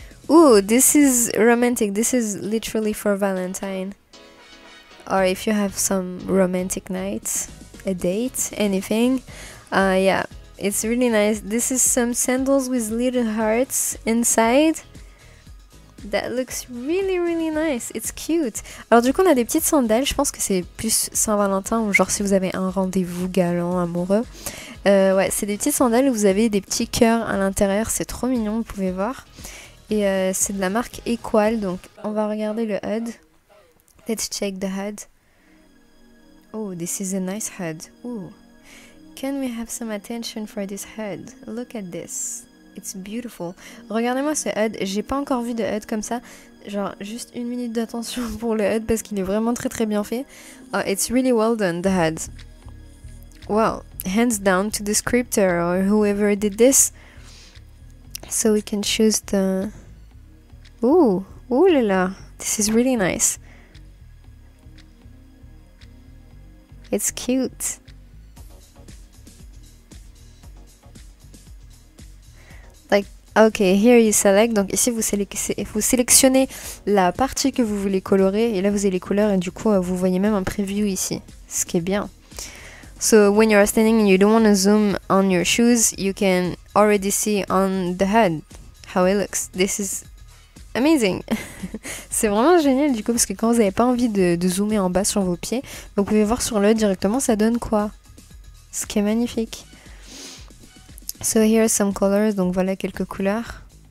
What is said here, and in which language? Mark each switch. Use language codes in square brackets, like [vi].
[en] Ooh, this is romantic. This is literally for Valentine. Or if you have some romantic nights, a date, anything. Yeah, it's really nice. This is some sandals with little hearts inside. That looks really, really nice. It's cute. [fr] Alors du coup, on a des petites sandales. Je pense que c'est plus Saint-Valentin ou genre si vous avez un rendez-vous galant, amoureux. Ouais, c'est des petites sandales où vous avez des petits cœurs à l'intérieur. C'est trop mignon, vous pouvez voir. Et c'est de la marque Equal, donc on va regarder le HUD. [en] Let's check the HUD. Oh, this is a nice HUD. Ooh. Can we have some attention for this HUD? Look at this. It's beautiful. [fr] Regardez-moi ce HUD. J'ai pas encore vu de HUD comme ça. Genre, juste une minute d'attention pour le HUD parce qu'il est vraiment très très bien fait. [en] Oh, it's really well done, the HUD. Well, hands down to the scripter or whoever did this. So we can choose the. Ooh, ooh la la, this is really nice. It's cute. Like, okay, here you select. [fr] Donc ici vous sélectionnez la partie que vous voulez colorer et là vous avez les couleurs et du coup vous voyez même un preview ici, ce qui est bien. [en] So when you are standing and you don't want to zoom on your shoes, you can already see on the head how it looks. This is amazing. [fr] C'est vraiment génial du coup, parce que quand vous n'avez pas envie de zoomer en bas sur vos pieds, vous pouvez voir sur l'œil directement ça donne quoi. Ce qui est magnifique. [en] So here are some colors, [fr] donc voilà quelques couleurs.